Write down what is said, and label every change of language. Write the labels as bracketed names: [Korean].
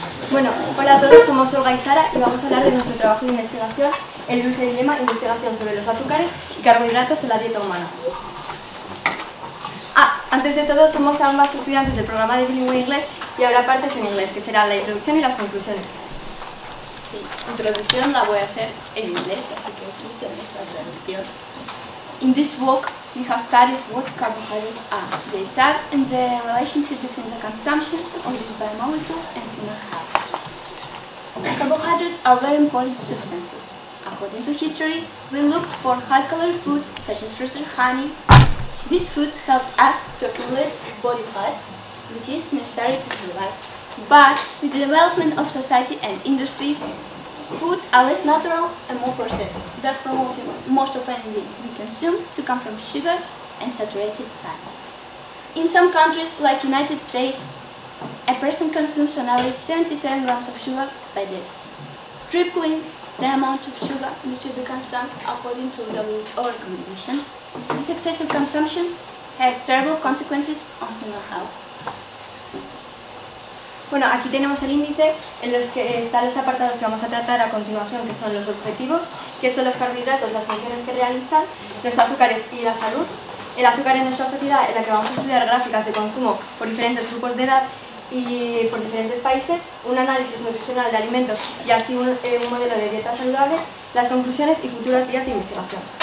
[Spanish] Bueno, hola a todos, somos Olga y Sara y vamos a hablar de nuestro trabajo de investigación, el dulce dilema, investigación sobre los azúcares y carbohidratos en la dieta humana. Antes de todo, somos ambas estudiantes del programa de Bilingüe Inglés y habrá partes en inglés, que serán la introducción y las conclusiones. Sí, introducción la voy a hacer en inglés, así que aquí tenemos la traducción. [English] In this book, we have studied what carbohydrates are, their types and the relationship between the consumption of these biomolecules and inner health. Carbohydrates are very important substances. According to history, we looked for high-calorie foods such as roasted honey. These foods helped us to accumulate body fat, which is necessary to survive. But with the development of society and industry, foods are less natural and more processed, thus promoting most of energy we consume to come from sugars and saturated fats. In some countries, like United States, a person consumes on average 77 grams of sugar per day, tripling the amount of sugar needs to be consumed according to WHO recommendations. This excessive consumption has terrible consequences on human health. [Spanish] Bueno, aquí tenemos el índice en los que están los apartados que vamos a tratar a continuación, que son los objetivos, que son los carbohidratos, las funciones que realizan, los azúcares y la salud. El azúcar en nuestra sociedad, en la que vamos a estudiar gráficas de consumo por diferentes grupos de edad y por diferentes países, un análisis nutricional de alimentos y así un modelo de dieta saludable, las conclusiones y futuras vías de investigación.